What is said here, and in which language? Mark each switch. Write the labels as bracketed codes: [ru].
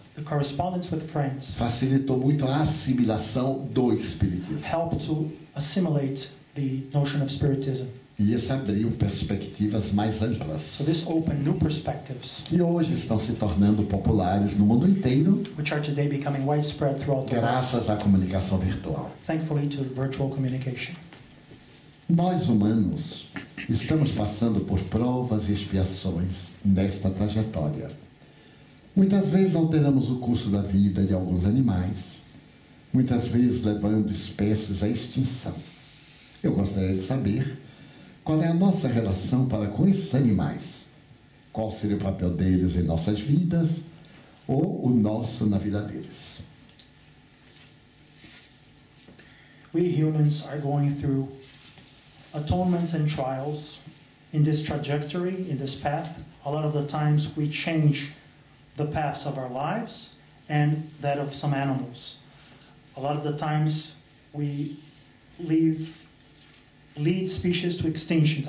[en] The correspondence with France [pt] facilitou muito a assimilação do espiritismo. [en] Helped to assimilate the notion of spiritism. [pt] E isso abriu perspectivas mais amplas. [en] So this opened new perspectives. [pt] Que hoje estão se tornando populares no mundo inteiro. [en] Which are today becoming widespread throughout the world. [pt] Graças à comunicação virtual. [en] Thankfully to virtual communication. [pt] Nós humanos estamos passando por provas e expiações nesta trajetória. Muitas vezes alteramos o curso da vida de alguns animais, muitas vezes levando espécies à extinção. Eu gostaria de saber qual é a nossa relação para com esses animais, qual seria o papel deles em nossas vidas ou o nosso na vida deles. [en] We humans are going through atonements and trials in this trajectory, in this path. A lot of the times we change the paths of our lives and that of some animals. A lot of the times we lead species to extinction.